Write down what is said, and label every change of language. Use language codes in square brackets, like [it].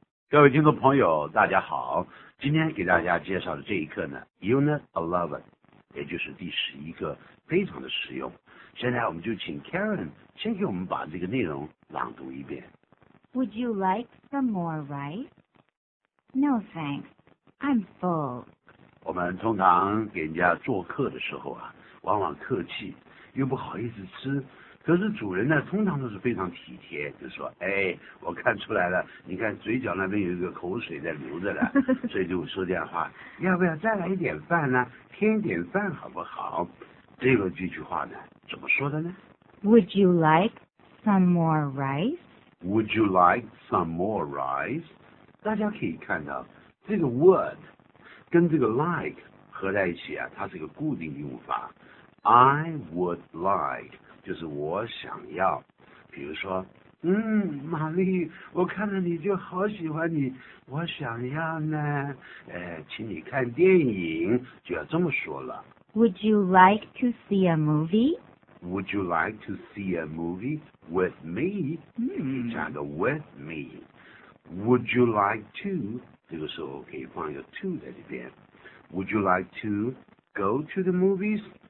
[zh] 各位听众朋友，大家好。今天给大家介绍的这一课呢 ，Unit 11，也就是第十一课，非常的实用。现在我们就请 Karen 先给我们把这个内容朗读一遍。 [en] Would you like some more rice? No, thanks. I'm full. [zh] 我们通常给人家做客的时候啊，往往客气，又不好意思吃。可是主人呢，通常都是非常体贴，就说：“哎，我看出来了，你看嘴角那边有一个口水在流着了，所以就说这样的话，要不要再来一点饭呢？添一点饭好不好？” 这个这句话呢，怎么说的呢 [en] ？Would you like some more rice? Would you like some more rice? [zh] 大家可以看到，这个 would 跟这个 like 合在一起啊，它是一个固定用法。 [en] I would like. [zh] 就是我想要，比如说，玛丽，我看了你就好喜欢你，我想要呢，请你看电影，就要这么说了。 [en] Would you like to see a movie? Would you like to see a movie with me?、加个 with me. Would you like to? [zh] 这个时候可以放一个 to 在里边。 [en] Would you like to go to the movies?